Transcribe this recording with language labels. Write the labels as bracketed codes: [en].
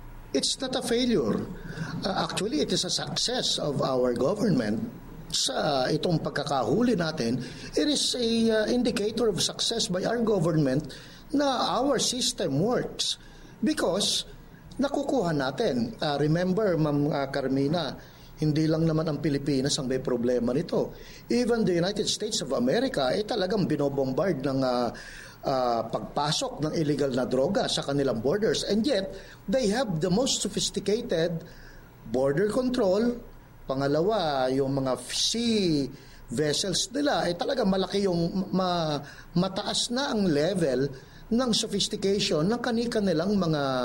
[en] It's not a failure. Actually, it is a success of our government [tl] sa itong pagkakahuli natin. [en] It is a indicator of success by our government na our system works because [tl] nakukuha natin. Remember, Ma'am Carmina, hindi lang naman ang Pilipinas ang may problema nito. Even the United States of America ay talagang binobombard ng pagpasok ng illegal na droga sa kanilang borders. [en] And yet, they have the most sophisticated border control. [tl] Pangalawa, yung mga sea vessels nila, talaga malaki yung mataas na ang level ng sophistication ng kanika nilang mga